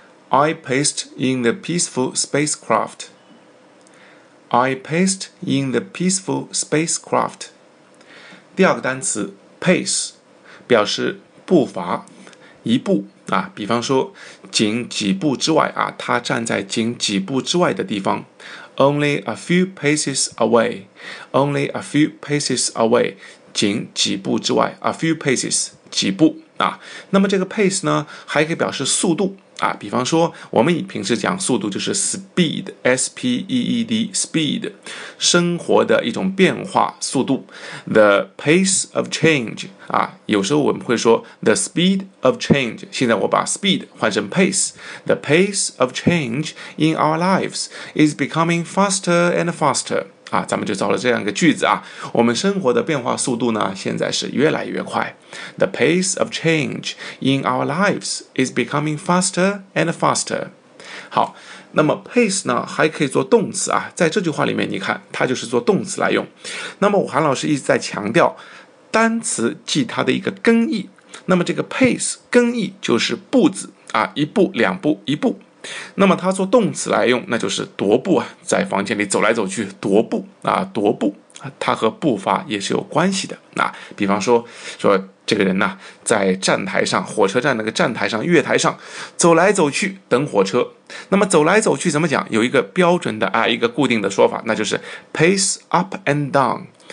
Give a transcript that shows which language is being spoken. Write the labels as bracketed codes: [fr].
[en] I paced in the peaceful spacecraft. I paced in the peaceful spacecraft. [zh] 第二个单词 pace 表示步伐，一步啊，比方说仅几步之外啊，他站在仅几步之外的地方， [en] only a few paces away, [zh] only [en] a few paces [zh] away, 仅几步之外， a few paces, 几步啊。那么这个 pace 呢还可以表示速度啊，比方说我们以平时讲速度就是 speed, S-P-E-E-D, speed, 生活的一种变化速度， [en] the pace of change, [zh] 啊，有时候我们会说 [en] the speed of change, [zh] 现在我把 speed 换成 pace, [en] the pace of change in our lives is becoming faster and faster, [zh] 啊，咱们就造了这样一个句子啊，我们生活的变化速度呢现在是越来越快。 [en] The pace of change in our lives is becoming faster and faster. [zh] 好，那么 pace 呢还可以做动词啊，在这句话里面你看它就是做动词来用。那么我韩老师一直在强调单词记它的一个更义，那么这个 pace 更义就是步子啊，一步两步一步，那么它做动词来用那就是踱步啊，在房间里走来走去踱步啊，踱步它和步伐也是有关系的啊，比方说说这个人呢在站台上，火车站那个站台上，月台上走来走去等火车，那么走来走去怎么讲，有一个标准的啊，一个固定的说法，那就是 [en] pace up and down,